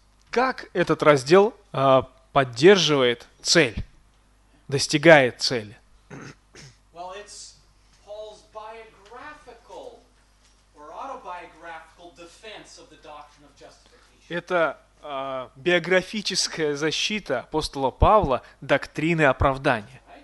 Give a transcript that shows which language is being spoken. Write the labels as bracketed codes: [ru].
[ru] Как этот раздел поддерживает цель, достигает цели? [en] Well, it's Paul's biographical or autobiographical defense of the doctrine of justification. [ru] Это биографическая защита апостола Павла доктрины оправдания.